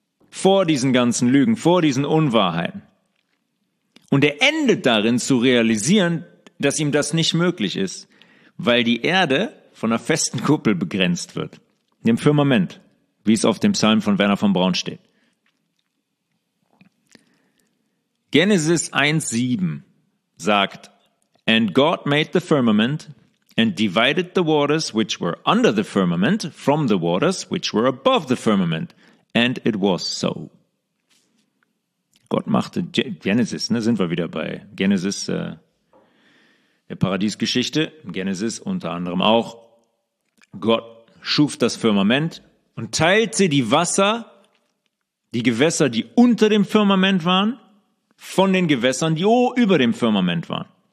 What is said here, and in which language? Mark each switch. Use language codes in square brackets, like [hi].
[de] Vor diesen ganzen Lügen, vor diesen Unwahrheiten. Und er endet darin zu realisieren, dass ihm das nicht möglich ist, weil die Erde von einer festen Kuppel begrenzt wird. Dem Firmament, wie es auf dem Psalm von Werner von Braun steht. [en] Genesis 1,7 sagt, "And God made the firmament and divided the waters which were under the firmament from the waters which were above the firmament. And it was so." [de] Gott machte Genesis, ne, sind wir wieder bei Genesis, der Paradiesgeschichte, Genesis unter anderem auch. Gott schuf das Firmament und teilte die Wasser, die Gewässer, die unter dem Firmament waren, von den Gewässern, die über dem Firmament waren.